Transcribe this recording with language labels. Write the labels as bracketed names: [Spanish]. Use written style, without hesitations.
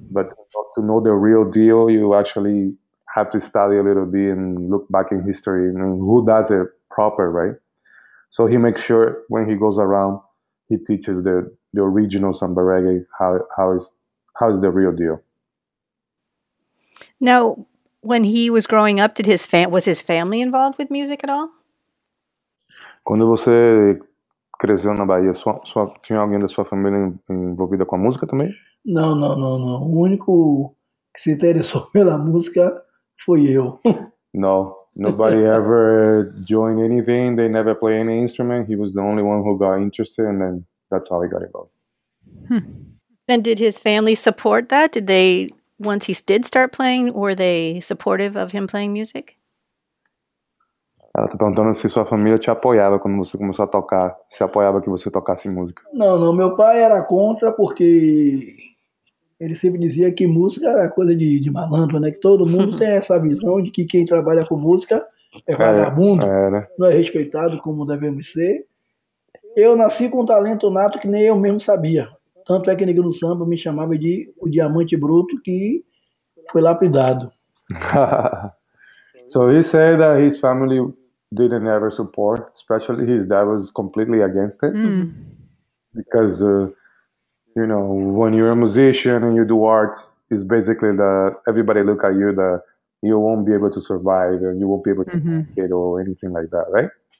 [English] but to know the real deal, you actually have to study a little bit and look back in history and who does it proper, right? So he makes sure when he goes around, he teaches the original samba reggae how is the real deal. Now, when he was growing up, was his family involved with music at all? [Portuguese] Quando você cresceu na Bahia, tinha alguém da sua família envolvida com a música também? Não. O único que se interessou pela música foi eu. [English] No, nobody ever joined anything. They never play any instrument. He was the only one who got interested, and then that's how he got involved. Hmm. And did his family support that? Did they, once he did start playing, were they supportive of him playing music? [Portuguese] Ela está perguntando se sua família te apoiava quando você começou a tocar, se apoiava que você tocasse música. Não, meu pai era contra porque ele sempre dizia que música era coisa de malandro, né? Que todo mundo tem essa visão de que quem trabalha com música é vagabundo, não é respeitado como devemos ser. Eu nasci com um talento nato que nem eu mesmo sabia. Tanto é que Negro do Samba me chamava de o diamante bruto que foi lapidado. [English] So he said that his family didn't ever support, especially his dad was completely against it. Mm. Because, you know, when you're a musician and you do arts, it's basically that everybody look at you that you won't be able to survive and you won't be able to make it or anything like that, right?